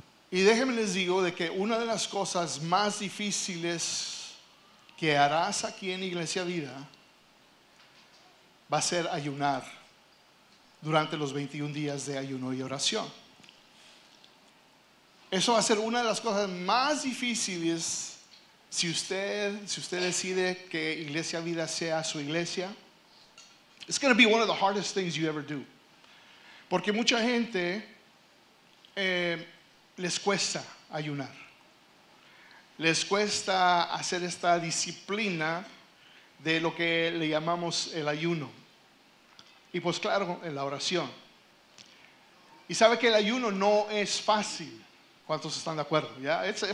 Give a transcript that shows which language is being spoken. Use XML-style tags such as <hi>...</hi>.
<es>Y déjenme les digo de que una de las cosas más difíciles que harás aquí en Iglesia Vida va a ser ayunar durante los 21 días de ayuno y oración. Eso va a ser una de las cosas más difíciles si usted decide que Iglesia Vida sea su iglesia.</es> <en>It's going to be one of the hardest things you ever do.</en> <es>Porque mucha gente les cuesta ayunar. Les cuesta hacer esta disciplina de lo que le llamamos el ayuno. Y pues claro, en la oración. Y sabe que el ayuno no es fácil. ¿Cuántos están de acuerdo? Ya, yeah?</es>